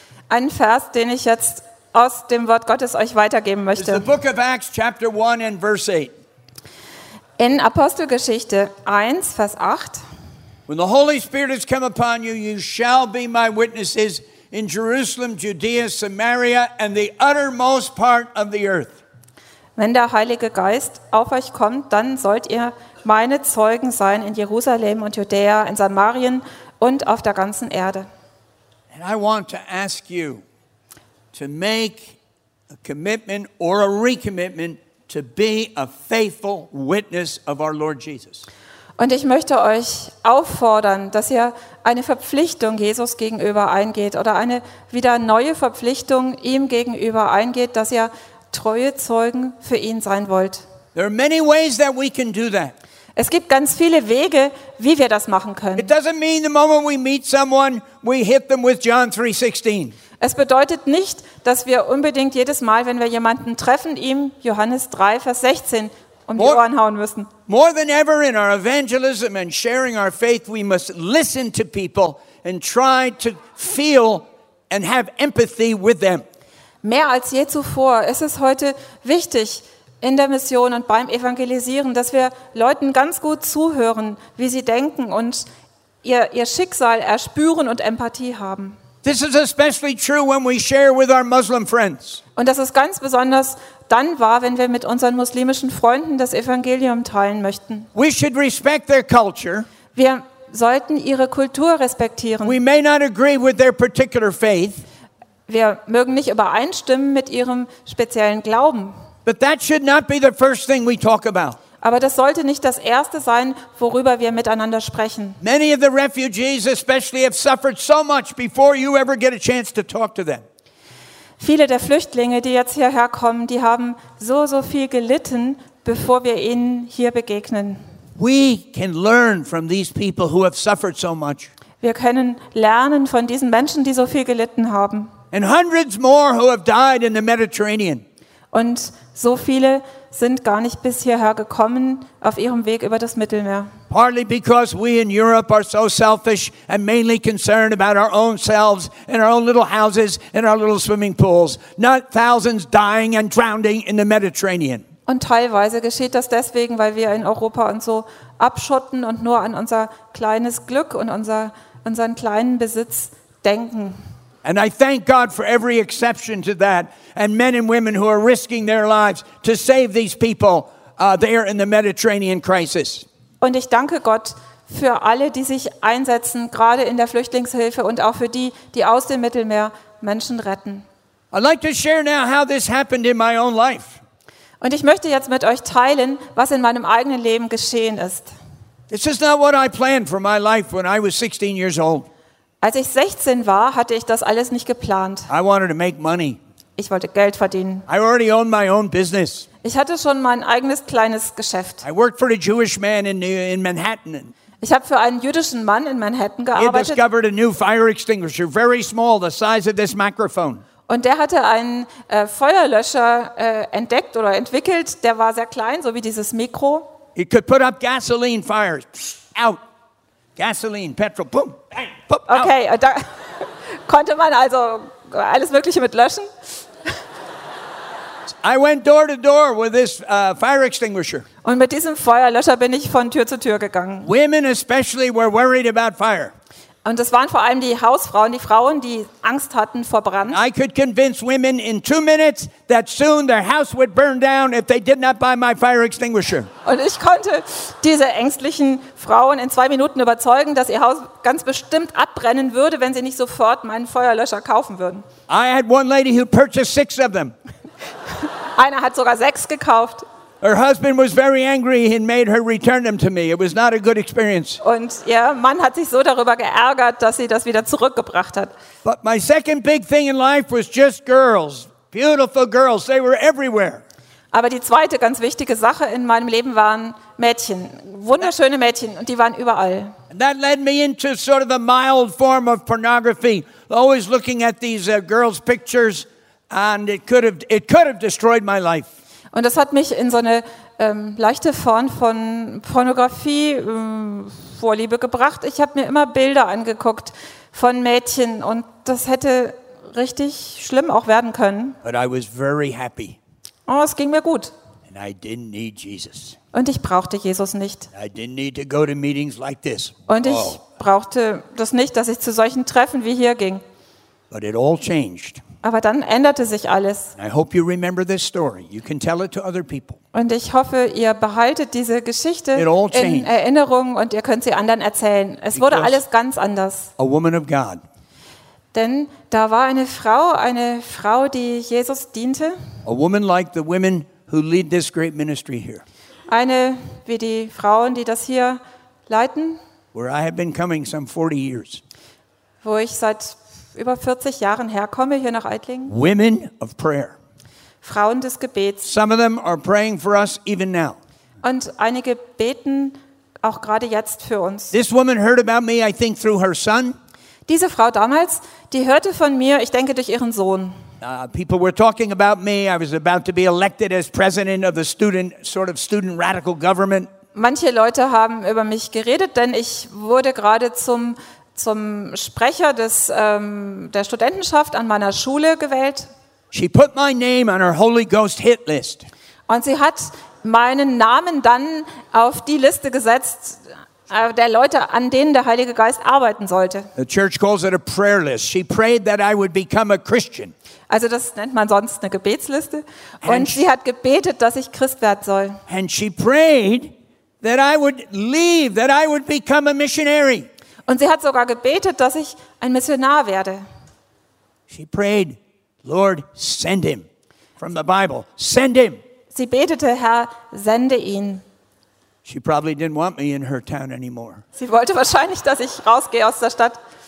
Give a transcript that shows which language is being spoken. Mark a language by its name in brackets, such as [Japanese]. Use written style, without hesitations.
[German] Ein Vers, den ich jetzt aus dem Wort Gottes euch weitergeben möchte. [English] The book of Acts, chapter 1 and verse 8. [German] In Apostelgeschichte 1, Vers 8. [English] When the Holy Spirit has come upon you, you shall be my witnesses in Jerusalem, Judea, Samaria and the uttermost part of the earth. [German] Wenn der Heilige Geist auf euch kommt, dann sollt ihr meine Zeugen sein in Jerusalem und Judäa, in Samarien und auf der ganzen Erde. [English] And I want to ask you to make a commitment or a recommitment to be a faithful witness of our Lord Jesus. [German] Und ich möchte euch auffordern, dass ihr eine Verpflichtung Jesus gegenüber eingeht oder eine wieder neue Verpflichtung ihm gegenüber eingeht, dass ihr treue Zeugen für ihn sein wollt. [English] There are many ways that we can do that. [German] Es gibt ganz viele Wege, wie wir das machen können. [English] It doesn't mean the moment we meet someone, we hit them with John 3:16. [German] Es bedeutet nicht, dass wir unbedingt jedes Mal, wenn wir jemanden treffen, ihm Johannes 3, Vers 16 die Ohren hauen müssen. [English] More than ever in our evangelism and sharing our faith, we must listen to people and try to feel and have empathy with them. [German] Mehr als je zuvor ist es heute wichtig in der Mission und beim Evangelisieren, dass wir Leuten ganz gut zuhören, wie sie denken und ihr Schicksal erspüren und Empathie haben. [English] This is especially true when we share with our Muslim friends. [German] Und das ist ganz besonders dann wahr, wenn wir mit unseren muslimischen Freunden das Evangelium teilen möchten. [English] We should respect their culture. [German] Wir sollten ihre Kultur respektieren. [English] We may not agree with their particular faith. [German] Wir mögen nicht übereinstimmen mit ihrem speziellen Glauben. [English] But that should not be the first thing we talk about. [German] Aber das sollte nicht das Erste sein, worüber wir miteinander sprechen. [English] Many of the refugees especially have suffered so much before you ever get a chance to talk to them. [German] Viele der Flüchtlinge, die jetzt hierher kommen, die haben so, so viel gelitten, bevor wir ihnen hier begegnen. [English] We can learn from these people who have suffered so much. [German] Wir können lernen von diesen Menschen, die so viel gelitten haben. [English] And hundreds more who have died in the Mediterranean. [German] Und so viele sind gar nicht bis hierher gekommen auf ihrem Weg über das Mittelmeer. [English] Partly because we in Europe are so selfish and mainly concerned about our own selves and our own little houses and our little swimming pools, not thousands dying and drowning in the Mediterranean. [German] Und teilweise geschieht das deswegen, weil wir in Europa uns so abschotten und nur an unser kleines Glück und unseren kleinen Besitz denken. [English] And I thank God for every exception to that and men and women who are risking their lives to save these people there in the Mediterranean crisis. [German] Und ich danke Gott für alle, die sich einsetzen, gerade in der Flüchtlingshilfe und auch für die, die aus dem Mittelmeer Menschen retten. [English] I'd like to share now how this happened in my own life. [German] Und ich möchte jetzt mit euch teilen, was in meinem eigenen Leben geschehen ist. [English] This is not what I planned for my life when I was 16 years old. [German] Als ich 16 war, hatte ich das alles nicht geplant. [English] I wanted to make money. [German] Ich wollte Geld verdienen. [English] I already owned my own business. [German] Ich hatte schon mein eigenes kleines Geschäft. [English] I worked for a Jewish man in Manhattan. [German] Ich habe für einen jüdischen Mann in Manhattan gearbeitet. [English] He discovered a new fire extinguisher, very small, the size of this microphone. [German] Und der hatte einen Feuerlöscher entdeckt oder entwickelt, der war sehr klein, so wie dieses Mikro. [English] He could put up gasoline fires. Out. Gasoline, Petrol, boom, bang, boom, okay, out. [German] Da konnte man also alles Mögliche mit löschen. [English] I went door to door with this fire extinguisher. [German] Und mit diesem Feuerlöscher bin ich von Tür zu Tür gegangen. [English] Women especially were worried about fire. [German] Und es waren vor allem die Hausfrauen, die Frauen, die Angst hatten vor Brand. [English] I could convince women in 2 minutes that soon their house would burn down if they did not buy my fire extinguisher. [German] Und ich konnte diese ängstlichen Frauen in 2 Minuten überzeugen, dass ihr Haus ganz bestimmt abbrennen würde, wenn sie nicht sofort meinen Feuerlöscher kaufen würden. [English] I had one lady who purchased 6 of them. [German] Einer hat sogar 6 gekauft. [English] Her husband was very angry and made her return them to me. It was not a good experience. [German] Und ihr Mann hat sich so darüber geärgert, dass sie das wieder zurückgebracht hat. [English] But my second big thing in life was just girls. Beautiful girls, they were everywhere. [German] Aber die zweite ganz wichtige Sache in meinem Leben waren Mädchen. Wunderschöne Mädchen und die waren überall. [English] And that led me into sort of the mild form of pornography. Always looking at these girls' pictures and it could have destroyed my life. [German] Und das hat mich in so eine leichte Form von Pornografie Vorliebe gebracht. Ich habe mir immer Bilder angeguckt von Mädchen und das hätte richtig schlimm auch werden können. [English] But I was very happy. [German] Oh, es ging mir gut. [English] And I didn't need Jesus. [German] Und ich brauchte Jesus nicht. [English] I didn't need to go to meetings like this. [German] Und ich brauchte das nicht, dass ich zu solchen Treffen wie hier ging. [English] But it all changed. [German] Aber dann änderte sich alles. [English] I hope you remember this story. You can tell it to other people. [German] Und ich hoffe, ihr behaltet diese Geschichte in Erinnerung und ihr könnt sie anderen erzählen. Es wurde alles ganz anders. [English] A woman of God. [German] Denn da war eine Frau, die Jesus diente. [English] A woman like the women who lead this great ministry here. [German] Eine wie die Frauen, die das hier leiten. [English] Where I have been coming some 40 years. [German] Wo ich seit über 40 Jahren herkomme hier nach Aidlingen. [English] Women of prayer. [German] Frauen des Gebets. [English] Some of them are praying for us even now. [German] Und einige beten auch gerade jetzt für uns. [English] This woman heard about me, I think, through her son. [German] Diese Frau damals, die hörte von mir, ich denke durch ihren Sohn. [English] People were talking about me. I was about to be elected as president of the student, sort of student radical government. [German] Manche Leute haben über mich geredet, denn ich wurde gerade zum Sprecher des der Studentenschaft an meiner Schule gewählt. [English] She put my name on her Holy Ghost hit list. [German] Und sie hat meinen Namen dann auf die Liste gesetzt der Leute, an denen der Heilige Geist arbeiten sollte. [English] The church calls it a prayer list. She prayed that I would become a Christian. [German] Also das nennt man sonst eine Gebetsliste. Und sie hat gebetet, dass ich Christ werden soll. [English] And she prayed that I would leave, that I would become a missionary. [German] Und sie hat sogar gebetet, dass ich ein Missionar werde. [English] She prayed, Lord, send him. From the Bible, send him. [German] Sie betete, Herr, sende ihn. [English] She probably didn't want me in her town anymore. [German] Sie wollte wahrscheinlich, dass ich rausgehe aus der Stadt.